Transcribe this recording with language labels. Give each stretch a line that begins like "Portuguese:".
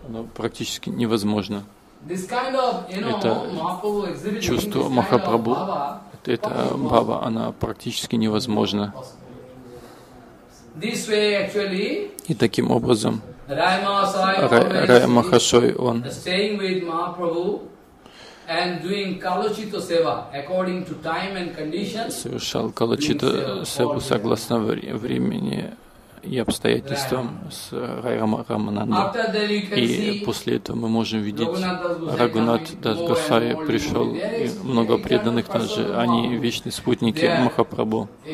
Russian: Оно практически невозможно. Это чувство Махапрабху, это бхава, она практически невозможна. И таким образом Рай Махашой, он
English: and doing kalachita seva according to time and condition,
Russian: совершал калачита севу согласно времени и обстоятельствам с Рай Рамананда. И после этого мы можем видеть Рагунат Дас Гасай пришел, и много преданных также, они вечные спутники Махапрабху.